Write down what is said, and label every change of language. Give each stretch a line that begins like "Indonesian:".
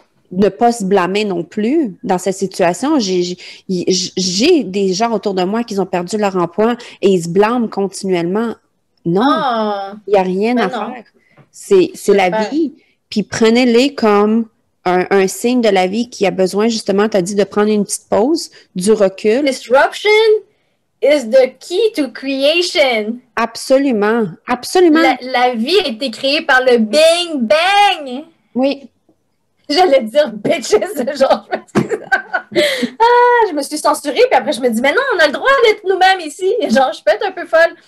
French: ne pas se blâmer non plus dans cette situation. J'ai des gens autour de moi qui ont perdu leur emploi et ils se blâment continuellement. Non, il n'y a rien à faire. C'est la vie. Puis prenez-les comme un signe de la vie qui a besoin, justement, tu as dit, de prendre une petite pause, du recul.
English: Disruption is the key to creation.
French: Absolument, absolument. La vie a été créée par le bing bang. Oui. J'allais dire bitches, genre. Ah, je me suis censurée, puis après, je me dis, mais non, on a le droit d'être nous-mêmes ici. Genre, je peux être un peu folle.